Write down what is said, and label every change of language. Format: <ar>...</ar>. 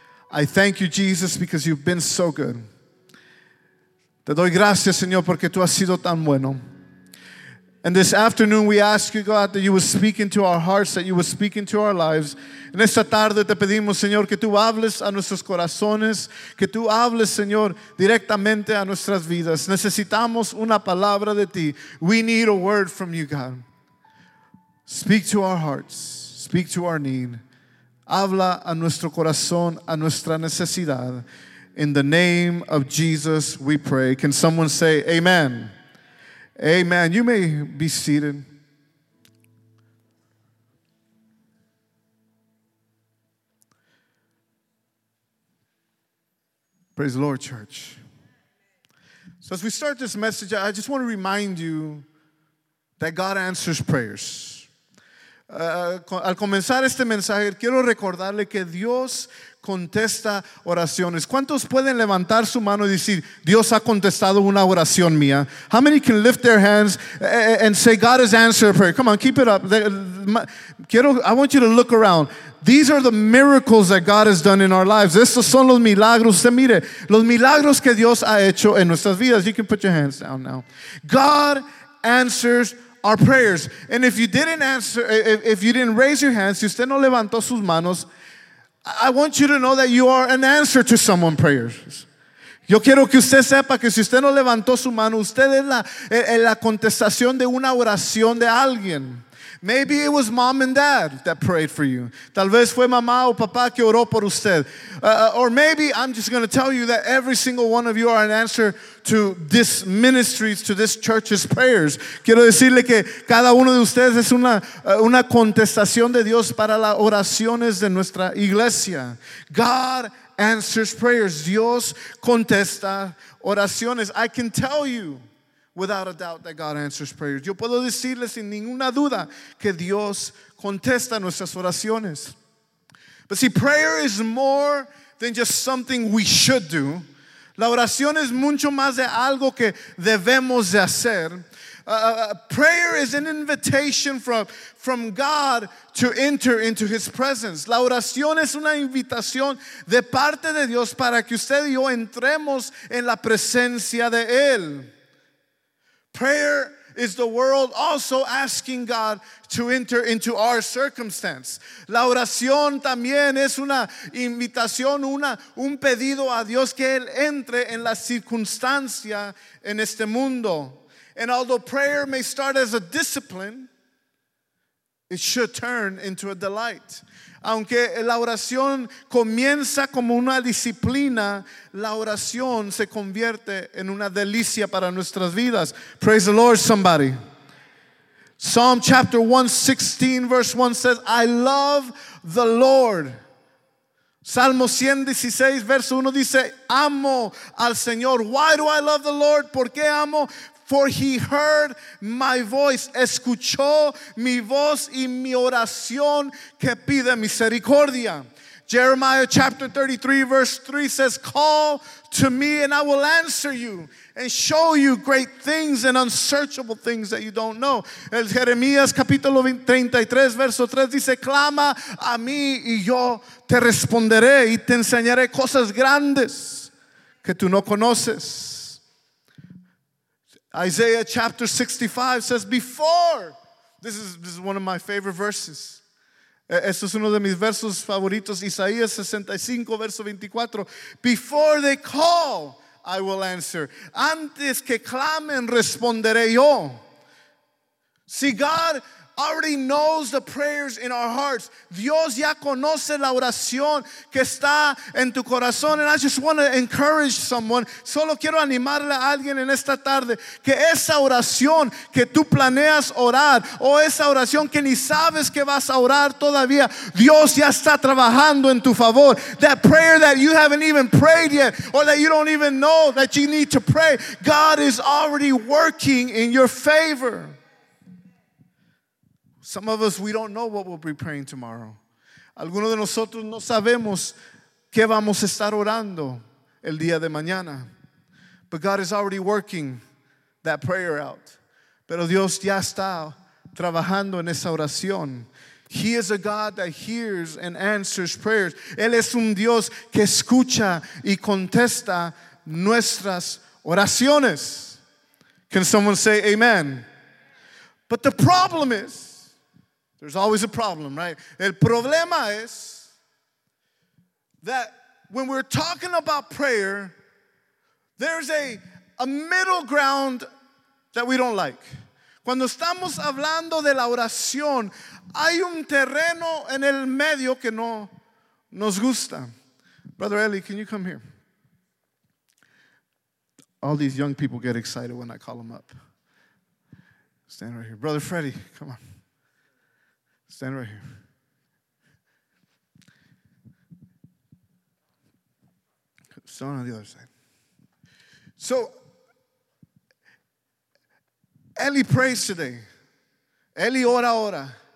<en>I thank you, Jesus, because you've been so good.</en> <es>Te doy gracias, Señor, porque tú has sido tan bueno.</es> <en>And this afternoon, we ask you, God, that you would speak into our hearts, that you would speak into our lives.</en> <es>En esta tarde, te pedimos, Señor, que tú hables a nuestros corazones, que tú hables, Señor, directamente a nuestras vidas. Necesitamos una palabra de ti.</es> <en>We need a word from you, God. Speak to our hearts. Speak to our need.</en> <es>Habla a nuestro corazón, a nuestra necesidad.</es> <en>In the name of Jesus, we pray. Can someone say amen? Amen. You may be seated. Praise the Lord, church. So as we start this message, I just want to remind you that God answers prayers.</en> <es>Al comenzar este mensaje, quiero recordarle que Dios contesta oraciones. ¿Cuántos pueden levantar su mano y decir, Dios ha contestado una oración mía?</es> <en>How many can lift their hands and say, God has answered prayer? Come on, keep it up. I want you to look around. These are the miracles that God has done in our lives.</en> <es>Estos son los milagros. Usted mire, los milagros que Dios ha hecho en nuestras vidas.</es> <en>You can put your hands down now. God answers our prayers. And if you didn't answer, if you didn't raise your hands,</en> <es>si usted no levantó sus manos,</es> <en>I want you to know that you are an answer to someone's prayers.</en> <es>Yo quiero que usted sepa que si usted no levantó su mano, usted es la contestación de una oración de alguien.</es> <en>Maybe it was mom and dad that prayed for you.</en> <es>Tal vez fue mamá o papá que oró por usted.</es> <en>Or maybe I'm just going to tell you that every single one of you are an answer to this ministry's, to this church's prayers.</en> <es>Quiero decirle que cada uno de ustedes es una contestación de Dios para las oraciones de nuestra iglesia.</es> <en>God answers prayers.</en> <es>Dios contesta oraciones.</es> <en>I can tell you, without a doubt, that God answers prayers.</en> <es>Yo puedo decirles sin ninguna duda que Dios contesta nuestras oraciones.</es> <en>But see, prayer is more than just something we should do.</en> <es>La oración es mucho más de algo que debemos de hacer.</es> <en>Prayer is an invitation from God to enter into His presence.</en> <es>La oración es una invitación de parte de Dios para que usted y yo entremos en la presencia de Él.</es> <en>Prayer is the world also asking God to enter into our circumstance.</en> <es>La oración también es una invitación, un pedido a Dios que Él entre en la circunstancia en este mundo.</es> <en>And although prayer may start as a discipline, it should turn into a delight.</en> <es>Aunque la oración comienza como una disciplina, la oración se convierte en una delicia para nuestras vidas.</es> <en>Praise the Lord, somebody. Psalm chapter 116, verse 1 says, I love the Lord.</en> <es>Salmo 116, verse 1 dice, amo al Señor.</es> <en>Why do I love the Lord?</en> <es>¿Por qué amo?</es> <en>For he heard my voice,</en> <es>escuchó mi voz y mi oración que pide misericordia.</es> <en>Jeremiah chapter 33 verse 3 says, call to me and I will answer you and show you great things and unsearchable things that you don't know.</en> <es>El Jeremías capítulo 33 verso 3 dice, clama a mí y yo te responderé y te enseñaré cosas grandes que tú no conoces.</es> <en>Isaiah chapter 65 says, before, this is one of my favorite verses.</en> <es>Esto es uno de mis versos favoritos, Isaías 65, verso 24.</es> <en>Before they call, I will answer.</en> <es>Antes que clamen, responderé yo.</es> <en>See, God already knows the prayers in our hearts.</en> <es>Dios ya conoce la oración que está en tu corazón.</es> <en>And I just want to encourage someone.</en> <es>Solo quiero animarle a alguien en esta tarde que esa oración que tú planeas orar o esa oración que ni sabes que vas a orar todavía, Dios ya está trabajando en tu favor.</es> <en>That prayer that you haven't even prayed yet or that you don't even know that you need to pray, God is already working in your favor. Some of us, we don't know what we'll be praying tomorrow.</en> <es>Algunos de nosotros no sabemos qué vamos a estar orando el día de mañana.</es> <en>But God is already working that prayer out.</en> <es>Pero Dios ya está trabajando en esa oración.</es> <en>He is a God that hears and answers prayers.</en> <es>Él es un Dios que escucha y contesta nuestras oraciones.</es> <en>Can someone say amen? But the problem is, there's always a problem, right?</en> <es>El problema es</es> <en>that when we're talking about prayer, there's a middle ground that we don't like.</en> <es>Cuando estamos hablando de la oración, hay un terreno en el medio que no nos gusta.</es> <en>Brother Ellie, can you come here? All these young people get excited when I call them up. Stand right here. Brother Freddie, come on. Stand right here. Stand on the other side. So, Ellie prays today.</en> <es>Ellie ora ora.</es>